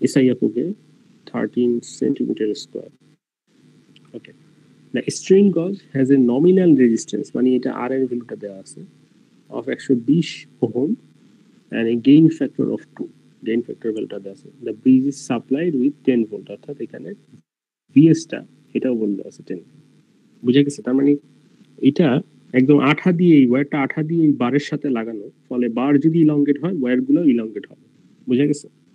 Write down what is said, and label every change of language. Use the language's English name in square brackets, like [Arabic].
[Bangla] এবং এই যে স্ট্রেন গজ এবং বৃহৎ সার্কিটের ইনস্ট্রুমেন্টের ক্রস সেকশনাল এরিয়া হচ্ছে 13 centimetre square. [English] The strain gauge has a nominal resistance, [Bangla] মানে এটা আর এর ভ্যালুটা দেওয়া আছে, [English] of 120 ohm and a gain factor of 2, gain factor [Bangla] ভ্যালুটা দেওয়া আছে। [English] The bridge is supplied with 10 volt, [Bangla] অর্থাৎ এখানে VS টা এটাও বলে দেওয়া আছে 10। বুঝা গেছে? তার মানে এটা একদম আঠা দিয়ে, এই ওয়্যারটা আঠা দিয়ে এই বারের সাথে লাগানো, ফলে বার যদি ইলঙ্গেট হয় ওয়্যারগুলো ইলঙ্গেট হবে। বুঝা গেছে?